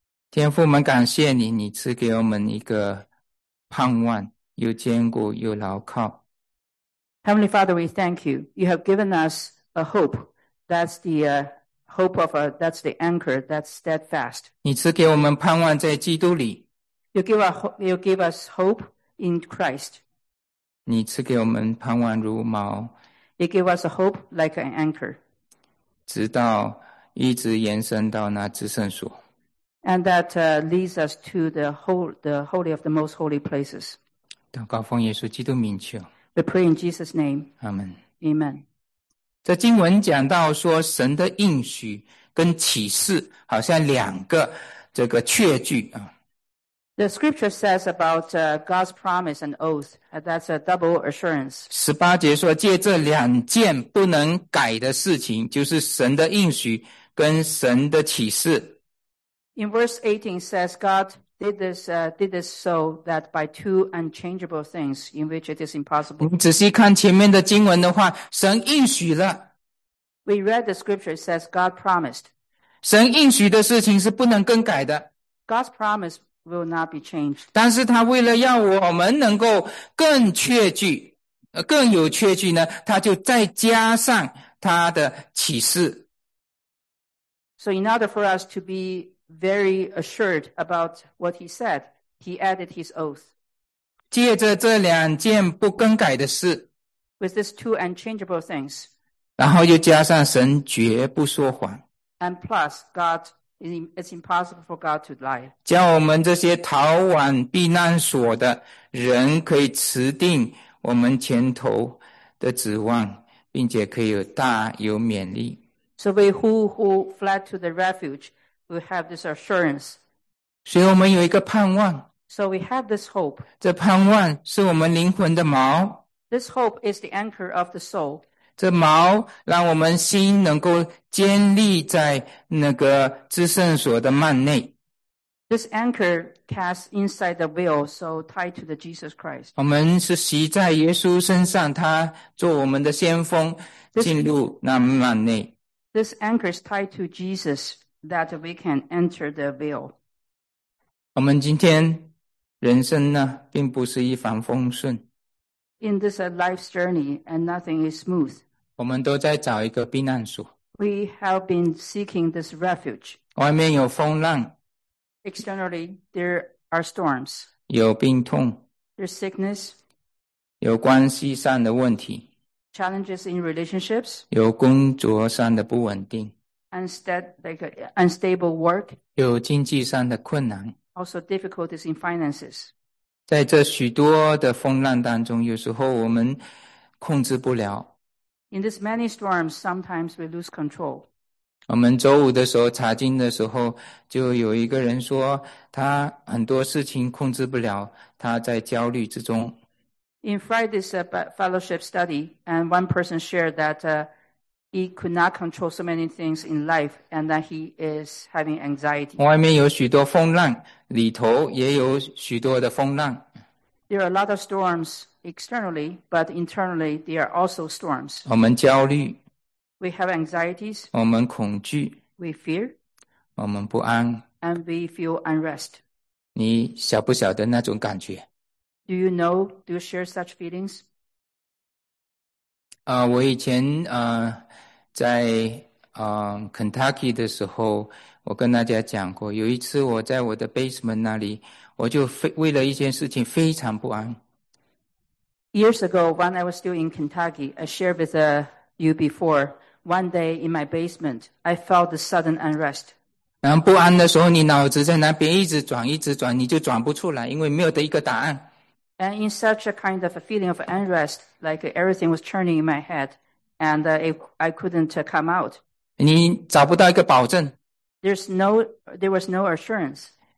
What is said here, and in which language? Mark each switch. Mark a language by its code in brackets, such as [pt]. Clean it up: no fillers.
[zh] 天父，我们感谢你，你赐给我们一个盼望又坚固又牢靠。 [en] Heavenly Father, we thank you. You have given us a hope. That's the hope of that's the anchor that's steadfast. [zh] 你赐给我们盼望在基督里。 [en] You give us hope in Christ. [zh] 你赐给我们盼望如锚。 [en] You give us a hope like an anchor. [zh] 直到一直延伸到那至圣所。 [en] And that leads us to the holy of the most holy places. [zh] 祷告奉耶稣基督名求。 [en] We pray in Jesus' name. Amen. Amen. [zh] 这经文讲到说神的应许跟启示好像两个这个确据。 [en] The scripture says about God's promise and oath. That's a double assurance. [zh] 18节说借这两件不能改的事情，就是神的应许跟神的启示。 [en] In verse 18 says, God did this so that by two unchangeable things in which it is impossible. [zh] 仔细看前面的经文的话，神应许了。 [en] We read the scripture, it says God promised. [zh] 神应许的事情是不能更改的。 [en] God's promise will not be changed. [zh] 但是他为了要我们能够更确据，更有确据呢，他就再加上他的启示。 [en] So in order for us to be very assured about what he said, he added his oath. [zh] 借着这两件不更改的事。 [en] With these two unchangeable things. [zh] 然后又加上神绝不说谎。 [en] And plus, God it's impossible for God to lie. [zh] 叫我们这些逃往避难所的人可以持定我们前头的指望，并且可以有大有勉励。 [en] So we who fled to the refuge will have this assurance. [zh] 所以我们有一个盼望。 [en] So we have this hope. [zh] 这盼望是我们灵魂的锚。 [en] This hope is the anchor of the soul. [zh] 这锚让我们心能够坚立在那个至圣所的幔内。 [en] This anchor casts inside the veil, so tied to the Jesus Christ. [zh] 我们是习在耶稣身上，他做我们的先锋，进入那幔内。 [en] This anchor is tied to Jesus that we can enter the veil. [zh] 我们今天人生呢，并不是一帆风顺。 [en] In this life's journey, and nothing is smooth. [zh] 我们都在找一个避难所。 [en] We have been seeking this refuge. [zh] 外面有风浪。 [en] Externally, there are storms. [zh] 有病痛。 [en] There's sickness. [zh] 有关系上的问题。 [en] Challenges in relationships. [zh] 有工作上的不稳定。 [en] Unstable work. [zh] 有经济上的困难。 [en] Also difficulties in finances. [zh] 在这许多的风浪当中，有时候我们控制不了。 [en] In these many storms, sometimes we lose control. [zh] 我们周五的时候查经的时候，就有一个人说，他很多事情控制不了，他在焦虑之中。 [en] In Friday's fellowship study, and one person shared that he could not control so many things in life, and that he is having anxiety. [zh] 外面有许多风浪，里头也有许多的风浪。 [en] There are a lot of storms externally, but internally there are also storms. [zh] 我们焦虑。 [en] We have anxieties. [zh] 我们恐惧。 [en] We fear. [zh] 我们不安。 [en] And we feel unrest. [zh] 你晓不晓得那种感觉？ [en] Do you know, do you share such feelings? [zh] 我以前在Kentucky 的时候，我跟大家讲过，有一次我在我的 basement 那里，我就为了一件事情非常不安。 [en] Years ago, when I was still in Kentucky, I shared with you before, one day in my basement, I felt a sudden unrest. [zh] 然后不安的时候，你脑子在那边一直转，一直转，你就转不出来，因为没有的一个答案。 [en] And in such a kind of a feeling of unrest, like everything was turning in my head, and I couldn't come out. [zh] 你找不到一个保证。 [en] There was no assurance.